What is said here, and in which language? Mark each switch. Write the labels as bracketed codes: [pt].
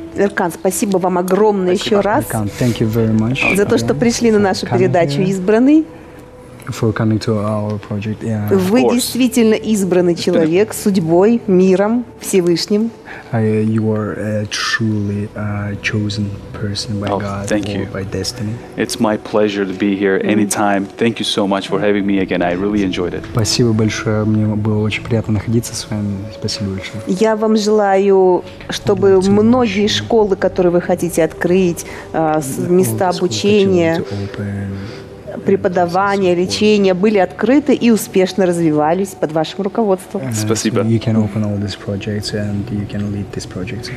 [ru] Эркан, спасибо вам огромное еще раз. [en] Эркан, thank you very much. [ru] За то, что пришли на нашу передачу «Избранный». [en] For coming to our project, yeah. [ru] Вы действительно избранный человек судьбой, миром, Всевышним. [en] You are a truly chosen person by God, thank or you. By destiny. It's my pleasure to be here anytime. Thank you so much for having me again. I really enjoyed it. [ru] Спасибо большое. Мне было очень приятно находиться с вами. Спасибо большое. Я вам желаю, чтобы многие школы, которые вы хотите открыть, места обучения, преподавания, лечения были открыты и успешно развивались под вашим руководством. Спасибо. [en] You can open all these projects and you can lead these projects.